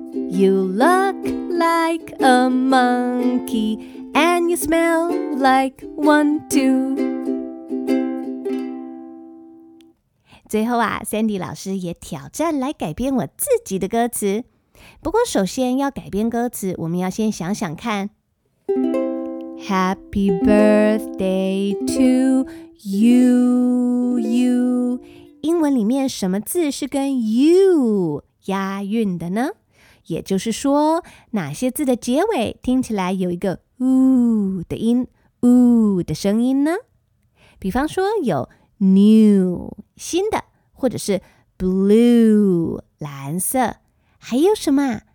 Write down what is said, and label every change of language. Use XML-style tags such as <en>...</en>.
<en>You look like a monkeyAnd you smell like one, two.</en> <zh>最后啊 ,Sandy 老师也挑战来改编我自己的歌词。不过首先要改编歌词，我们要先想想看。</zh> <en>Happy birthday to you, you.</en> <zh>英文里面什么字是跟 you 押韵的呢？也就是说，哪些字的结尾听起来有一个呜的音，呜的声音呢？比方说有 new 新的，或者是 blue 蓝色，还有什么？</zh>